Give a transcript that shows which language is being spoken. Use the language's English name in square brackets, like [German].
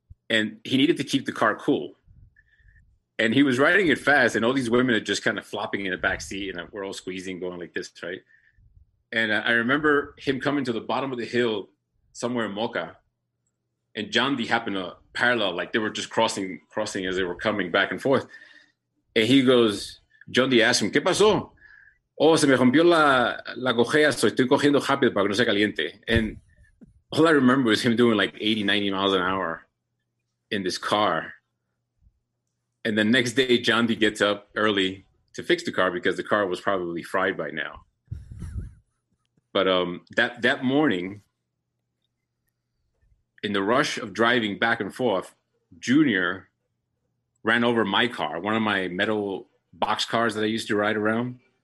[English] And he needed to keep the car cool. And he was riding it fast, and all these women are just kind of flopping in the back seat, and we're all squeezing, going like this, right? And I remember him coming to the bottom of the hill somewhere in Moca, and John D happened to parallel, like they were just crossing as they were coming back and forth. And he goes, John D asked him, [Spanish] "¿Qué pasó?" "Oh, se me rompió la cojea, so estoy cogiendo rápido para que no se caliente." [English] And all I remember was him doing like 80, 90 miles an hour in this car. And the next day, John D gets up early to fix the car because the car was probably fried by now. But that morning, in the rush of driving back and forth, Junior ran over my car, one of my metal box cars that I used to ride around.